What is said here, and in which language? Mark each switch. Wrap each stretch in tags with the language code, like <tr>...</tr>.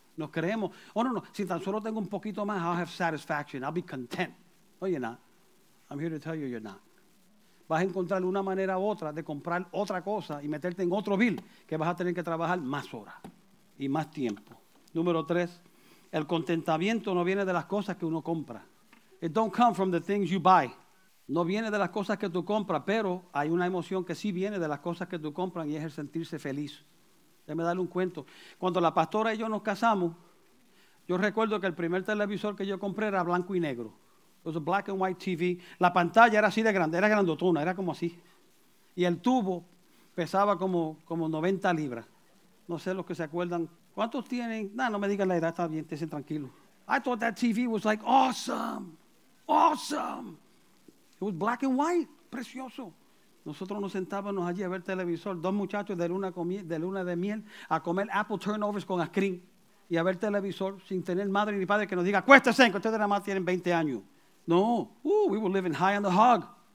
<es>Nos creemos, si tan solo tengo un poquito más,</es> <en>I'll have satisfaction, I'll be content. No, you're not. I'm here to tell you, you're not.</en> <es>Vas a encontrar una manera u otra de comprar otra cosa y meterte en otro bill que vas a tener que trabajar más horas y más tiempo. Número 3, el contentamiento no viene de las cosas que uno compra.</es> <en>It don't come from the things you buy.</en> <es>No viene de las cosas que tú compras, pero hay una emoción que sí viene de las cosas que tú compras y es el sentirse feliz. Déjame darle un cuento. Cuando la pastora y yo nos casamos, yo recuerdo que el primer televisor que yo compré era blanco y negro.</es> <en>It was a black and white TV.</en> <es>La pantalla era así de grande, era grandotona, era como así. Y el tubo pesaba como 90 libras. No sé los que se acuerdan. ¿Cuántos tienen? No me digan la edad, está bien, estén tranquilos.</es> <en>I thought that TV was like awesome. It was black and white, precioso.</en> <es>Nosotros nos sentábamos allí a ver televisor, dos muchachos de luna de miel, a comer apple turnovers con ice cream y a ver televisor sin tener madre ni padre que nos diga, acuéstese, que ustedes nada más tienen 20 años.</es> <en>No, we were living high on the hog.</en>